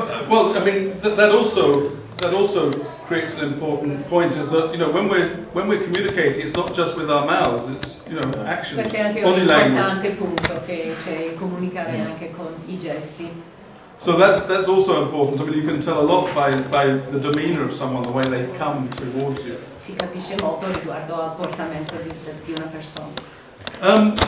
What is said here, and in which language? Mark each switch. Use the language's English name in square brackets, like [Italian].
[English] Well, I mean, that also creates an important point, is that, you know, when we're communicating, it's not just with our mouths, it's, you know, action, body language. [Italian] Perché anche un importante punto che c'è comunicare anche con i gesti. [English] So that's also important. I mean, you can tell a lot by the demeanor of someone, the way they come towards you. [Italian] Si capisce molto riguardo al portamento di una persona.